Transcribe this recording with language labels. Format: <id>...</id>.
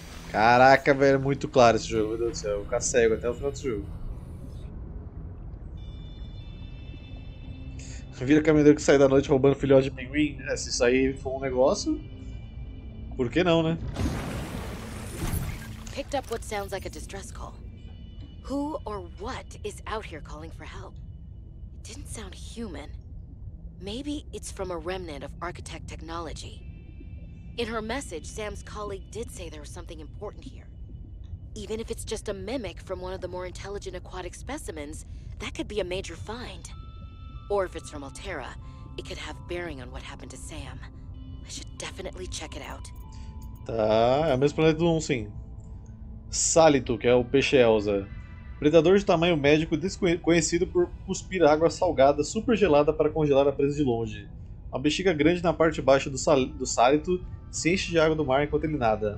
<pt>Caraca, velho, muito claro esse jogo, meu Deus do céu. Eu vou ficar cego até o final do jogo. Vira caminhoneiro que sai da noite roubando filhote de pinguim. É, se isso aí for um negócio. Por que não, né?</pt> <en>Picked up what sounds like a distress call. Who or what is out here calling for help? It didn't sound human. Maybe it's from a remnant of Architect technology. In her message, Sam's colleague did say there was something important here. Even if it's just a mimic from one of the more intelligent aquatic specimens, that could be a major find. Or if it's from Altera, it could have bearing on what happened to Sam. I should definitely check it out.</en> <pt>Tá, é o mesmo planeta do 1, sim. Salito, que é o peixe Elza. Predador de tamanho médio, conhecido por cuspir água salgada super gelada para congelar a presa de longe. Uma bexiga grande na parte baixa do sálito se enche de água do mar enquanto ele nada.</pt>